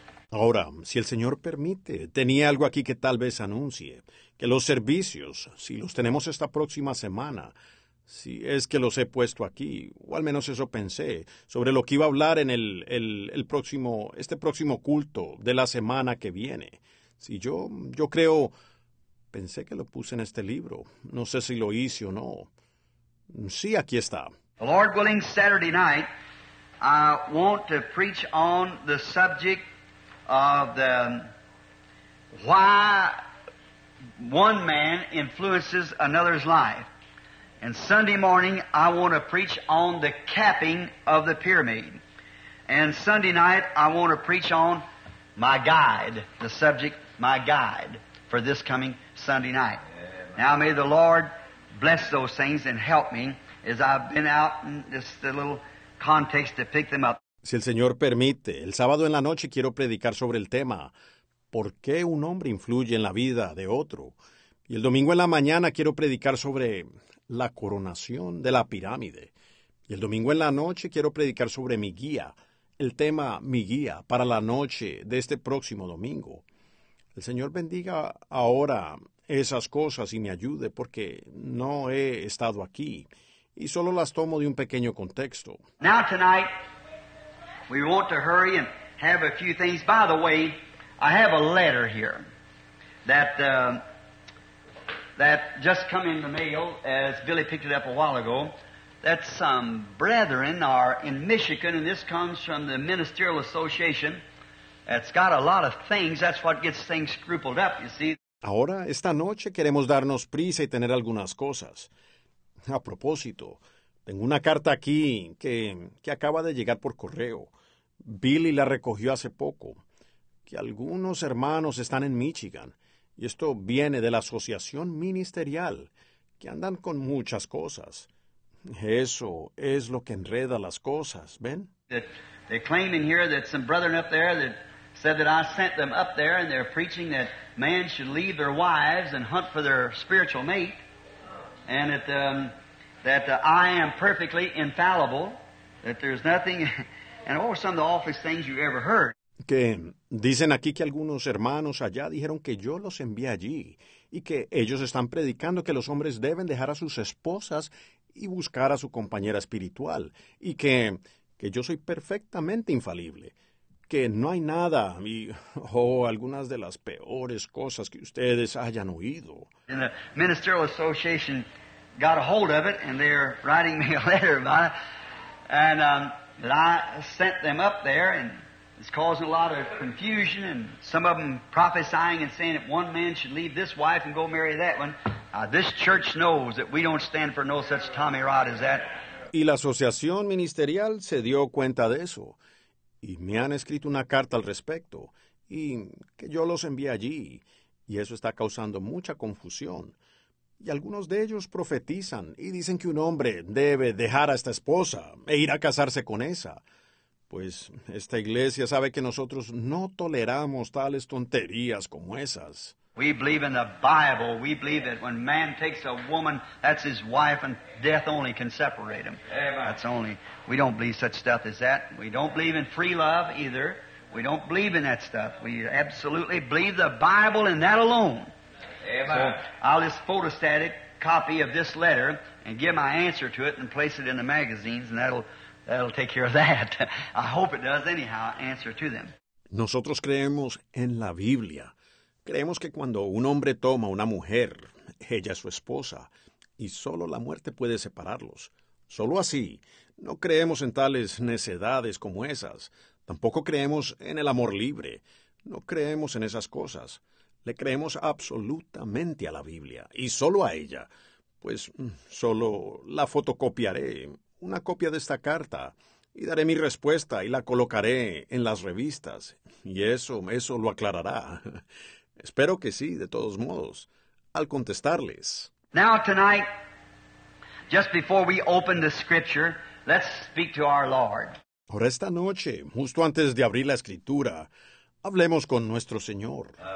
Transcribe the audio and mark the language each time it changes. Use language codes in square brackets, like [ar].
[es] Ahora, si el Señor permite, tenía algo aquí que tal vez anuncie, que los servicios, si los tenemos esta próxima semana, si es que los he puesto aquí, o al menos eso pensé, sobre lo que iba a hablar en el próximo culto de la semana que viene. Si yo creo, pensé que lo puse en este libro, no sé si lo hice o no. Sí, aquí está. [en] The Lord willing, Saturday night, I want to preach on the subject of the why one man influences another's life. And Sunday morning, I want to preach on the capping of the pyramid. And Sunday night, I want to preach on my guide, the subject, my guide, for this coming Sunday night. Now, may the Lord bless those things and help me. As I've been out in this little context to pick them up. [es] Si el Señor permite, el sábado en la noche quiero predicar sobre el tema ¿por qué un hombre influye en la vida de otro? Y el domingo en la mañana quiero predicar sobre la coronación de la pirámide. Y el domingo en la noche quiero predicar sobre mi guía, el tema mi guía para la noche de este próximo domingo. El Señor bendiga ahora esas cosas y me ayude porque no he estado aquí. Y solo las tomo de un pequeño contexto. [en] Now tonight, we want to hurry and have a few things. By the way, I have a letter here that just come in the mail, as Billy picked it up a while ago, that some brethren are in Michigan, and this comes from the Ministerial Association. That's got a lot of things. That's what gets things scrupled up, you see. [es] Ahora, esta noche, queremos darnos prisa y tener algunas cosas. A propósito, tengo una carta aquí que acaba de llegar por correo. Billy la recogió hace poco. Que algunos hermanos están en Michigan. Y esto viene de la asociación ministerial, que andan con muchas cosas. Eso es lo que enreda las cosas, ¿ven? [en] They claim in here that some brethren up there that said that I sent them up there and they're preaching that man should leave their wives and hunt for their spiritual mate. And that I am perfectly infallible, that there's nothing, and oh, some of the awfulest things you ever heard. [es] Que dicen aquí que algunos hermanos allá dijeron que yo los envié allí, y que ellos están predicando que los hombres deben dejar a sus esposas y buscar a su compañera espiritual, y que yo soy perfectamente infalible, que no hay nada, y algunas de las peores cosas que ustedes hayan oído. [en] And the Ministerial Association got a hold of it, and they're writing me a letter about it. And I sent them up there, and it's causing a lot of confusion, and some of them prophesying and saying that one man should leave this wife and go marry that one. This church knows that we don't stand for no such tommy rot as that. [es] Y la asociación ministerial se dio cuenta de eso, y me han escrito una carta al respecto, y que yo los envié allí. Y eso está causando mucha confusión. Y algunos de ellos profetizan y dicen que un hombre debe dejar a esta esposa e ir a casarse con esa. Pues esta iglesia sabe que nosotros no toleramos tales tonterías como esas. [en] We believe in the Bible. We believe that when man takes a woman, that's his wife, and death only can separate him. Amen. That's only. We don't believe such stuff as that. We don't believe in free love either. We don't believe in that stuff. We absolutely believe the Bible and that alone. Amen. So I'll just photostatic copy of this letter and give my answer to it and place it in the magazines, and that'll take care of that. I hope it does anyhow, answer to them. [es] Nosotros creemos en la Biblia. Creemos que cuando un hombre toma una mujer, ella es su esposa, y solo la muerte puede separarlos. Solo así. No creemos en tales necedades como esas. Tampoco creemos en el amor libre. No creemos en esas cosas. Le creemos absolutamente a la Biblia, y solo a ella. Pues solo la fotocopiaré, una copia de esta carta, y daré mi respuesta y la colocaré en las revistas. Y eso lo aclarará. Espero que sí, de todos modos, al contestarles. [en] Now tonight, just before we open the scripture, let's speak to our Lord. [es] Ahora esta noche, justo antes de abrir la escritura, hablemos con nuestro Señor.